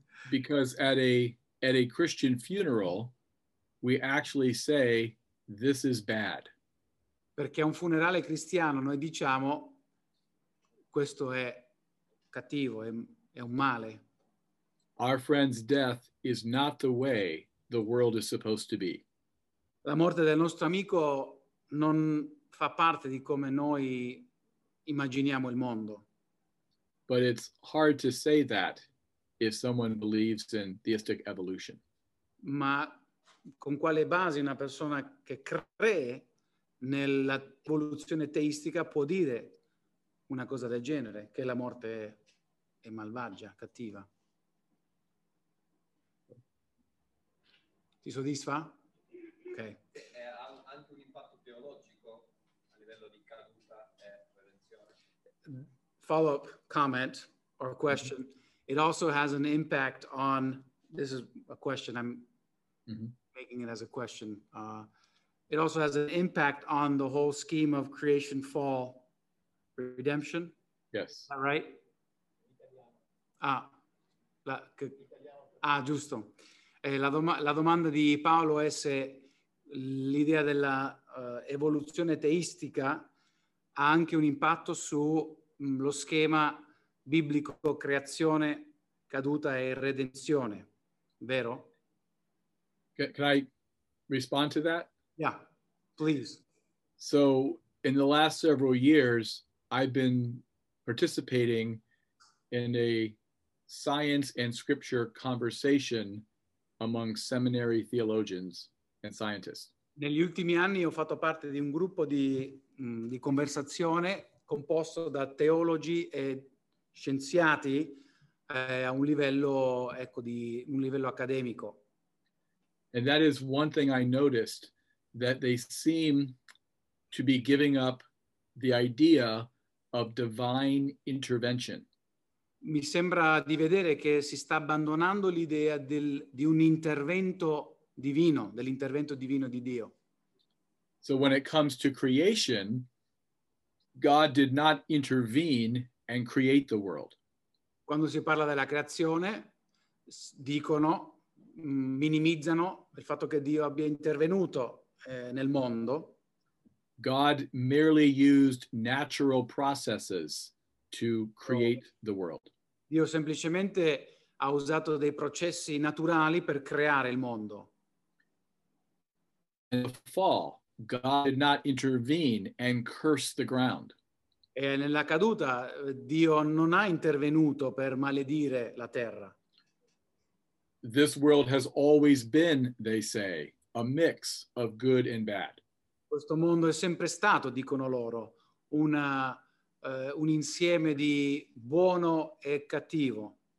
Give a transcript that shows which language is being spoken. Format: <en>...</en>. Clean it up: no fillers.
<en>Because at a Christian funeral we actually say this is bad.</en> <it>Perché a un funerale cristiano noi diciamo questo è cattivo, è un male.</it> <en>Our friend's death is not the way the world is supposed to be.</en> <it>La morte del nostro amico non fa parte di come noi immaginiamo il mondo.</it> <en>But it's hard to say that if someone believes in theistic evolution.</en> <it>Ma con quale base una persona che crede nell'evoluzione teistica può dire una cosa del genere, che la morte è malvagia, cattiva? Ti soddisfa? Ok. È anche un impatto teologico a livello di caduta e prevenzione.</it> <en>Follow-up comment or question. Mm-hmm. It also has an impact on, this is a question I'm making it as a question. It also has an impact on the whole scheme of creation, fall, redemption. Yes. Is that right?</en> <it>Italiano. Giusto. La domanda di Paolo è se l'idea della evoluzione teistica ha anche un impatto sullo schema biblico creazione, caduta e redenzione, vero?</it> <en>Can I respond to that? Yeah, please. So, in the last several years, I've been participating in a science and scripture conversation among seminary theologians and scientists.</en> <it>Negli ultimi anni ho fatto parte di un gruppo di conversazione composto da teologi e scienziati a un livello, ecco, di un livello accademico.</it> <en>And that is one thing I noticed, that they seem to be giving up the idea of divine intervention.</en> <it>Mi sembra di vedere che si sta abbandonando l'idea di un intervento divino, dell'intervento divino di Dio.</it> <en>So when it comes to creation, God did not intervene and create the world.</en> <it>Quando si parla della creazione, dicono, minimizzano il fatto che Dio abbia intervenuto nel mondo.</it> <en>God merely used natural processes to create the world.</en> <it>Dio semplicemente ha usato dei processi naturali per creare il mondo.</it> <en>In the fall, God did not intervene and curse the ground.</en> <it>E nella caduta, Dio non ha intervenuto per maledire la terra.</it> <en>This world has always been, they say, a mix of good and bad.</en> <it>Questo mondo è sempre stato, dicono loro, un insieme di buono e cattivo.</it>